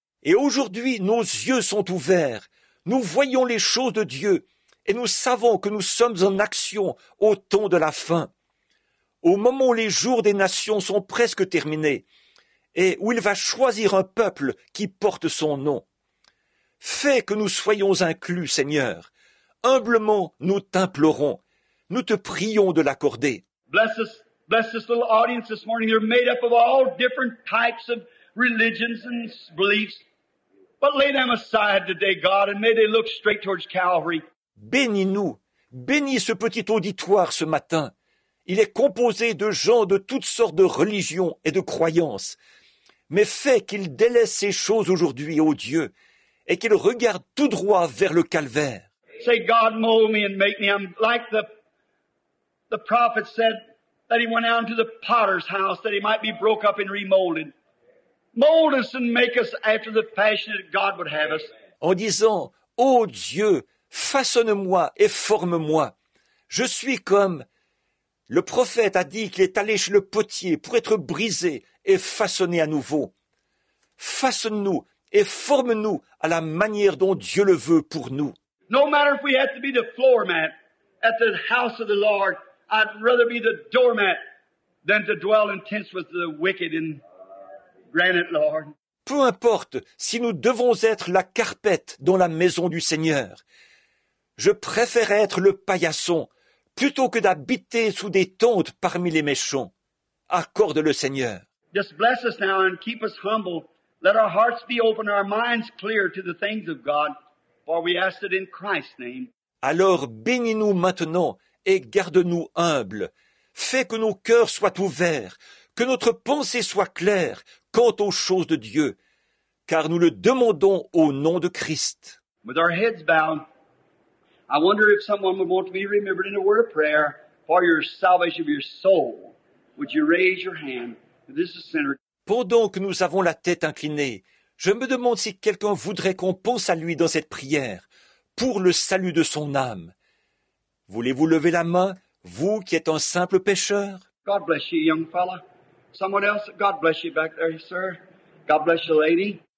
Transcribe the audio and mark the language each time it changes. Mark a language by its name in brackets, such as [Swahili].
[French] Et aujourd'hui, nos yeux sont ouverts. Nous voyons les choses de Dieu, et nous savons que nous sommes en action au temps de la fin. Au moment où les jours des nations sont presque terminés, et où il va choisir un peuple qui porte son nom. Fais que nous soyons inclus, Seigneur. Humblement, nous t'implorons. Nous te prions de l'accorder. [English] Bless this little audience this morning. They're made up of all different types of religions and beliefs. But lay them aside today, God, and may they look straight towards Calvary. [French] Bénis-nous. Bénis ce petit auditoire ce matin. Il est composé de gens de toutes sortes de religions et de croyances. Mais fais qu'ils délaissent ces choses aujourd'hui, ô Dieu, et qu'ils regardent tout droit vers le calvaire. [English] Say, God, mold me and make me. I'm like the prophet said that he went out into the potter's house that he might be broke up and remolded. Mold us and make us after the fashion that God would have us. [French] En disant, ô Dieu, façonne-moi et forme-moi. Je suis comme... Le prophète a dit qu'il est allé chez le potier pour être brisé et façonné à nouveau. Façonne-nous et forme-nous à la manière dont Dieu le veut pour nous. [English] No matter if we have to be the floor mat at the house of the Lord, I'd rather be the doormat than to dwell in tents with the wicked in granite, Lord. [French] Peu importe si nous devons être la carpette dans la maison du Seigneur. Je préfère être le paillasson plutôt que d'habiter sous des tentes parmi les méchants. Accorde le Seigneur. [English] Just bless us now and keep us humble. Let our hearts be open, our minds clear to the things of God. For we ask it in Christ's name. [French] Alors bénis-nous maintenant et garde-nous humbles. Fais que nos cœurs soient ouverts, que notre pensée soit claire quant aux choses de Dieu, car nous le demandons au nom de Christ. [English] With our heads bowed, I wonder if someone would want to be remembered in a word of prayer for your salvation of your soul. Would you raise your hand? This is a sinner. [French] Pendant que nous avons la tête inclinée, je me demande si quelqu'un voudrait qu'on pense à lui dans cette prière, pour le salut de son âme. Voulez-vous lever la main, vous qui êtes un simple pécheur? [English] God bless you, young fella. Someone else, God bless you back there, sir. God bless you, lady.